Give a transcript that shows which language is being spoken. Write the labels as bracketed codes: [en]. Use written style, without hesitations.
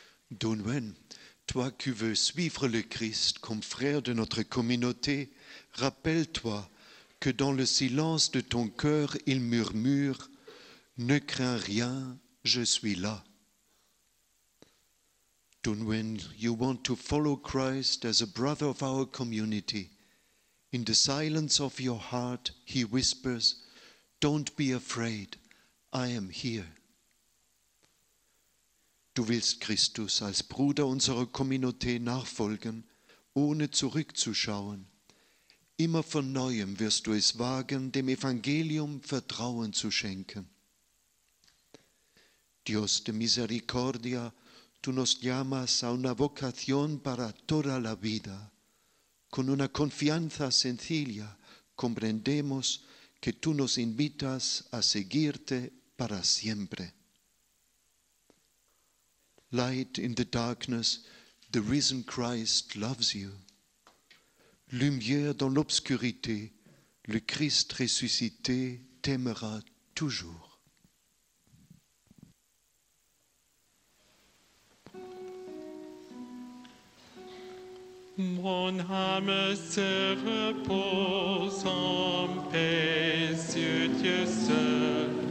[fr] Dunwen, toi qui veux suivre le Christ comme frère de notre communauté, rappelle-toi que dans le silence de ton cœur, il murmure « Ne crains rien, je suis là ». [en] Dunwen, you want to follow Christ as a brother of our community. In the silence of your heart, he whispers « Don't be afraid, I am here ». [de] Du willst Christus als Bruder unserer Communauté nachfolgen, ohne zurückzuschauen. Immer von Neuem wirst du es wagen, dem Evangelium Vertrauen zu schenken. [es] Dios de misericordia, tu nos llamas a una vocación para toda la vida. Con una confianza sencilla comprendemos que tú nos invitas a seguirte para siempre. [en] Light in the darkness, the risen Christ loves you. [fr] Lumière dans l'obscurité, le Christ ressuscité t'aimera toujours. Mon âme se repose en paix sur Dieu seul.